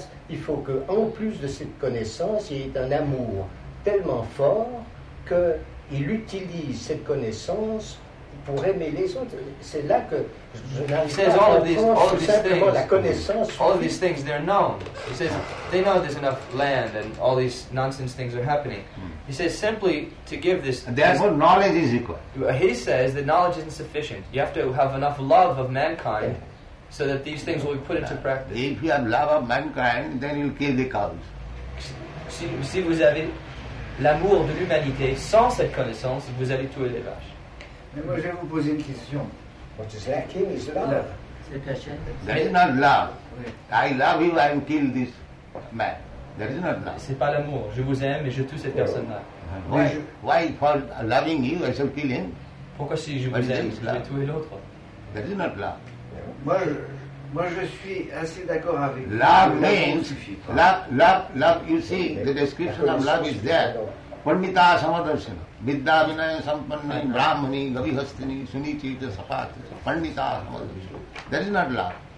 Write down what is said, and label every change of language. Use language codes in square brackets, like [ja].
[fr] Il faut que, en plus de cette connaissance, il y ait un amour tellement fort qu'il utilise cette connaissance pour aimer les autres. C'est là que je n'arrive pas à comprendre la connaissance. [en] All of these things, they're known. He says they know there's enough land and all these nonsense things are happening. He says simply to give this. Therefore, knowledge is equal. He says that knowledge isn't sufficient. You have to have enough love of mankind so that these things will be put into practice. If you have love of mankind, then you'll kill the cows. [fr] Si vous avez l'amour de l'humanité sans cette connaissance, vous allez tuer les vaches. Mais moi, je vais vous poser une question. [en] What is lacking is love. That is not love. I love you, I will kill this man. That is not love. [fr] C'est pas l'amour. Je vous aime et je tue cette personne-là. [en] Why for loving you, I shall kill him? [fr] Pourquoi si je vous aime, je vais tuer l'autre? [en] That is not love. [fr] Moi, je suis assez d'accord avec vous. [en] Love means, love, you see, the description of love is there. [sa] Parmita samadarshana. Vidya vinaya sampanna brahmani gavihastini sunichita sapati pandita samadarshana. [en] That is not love.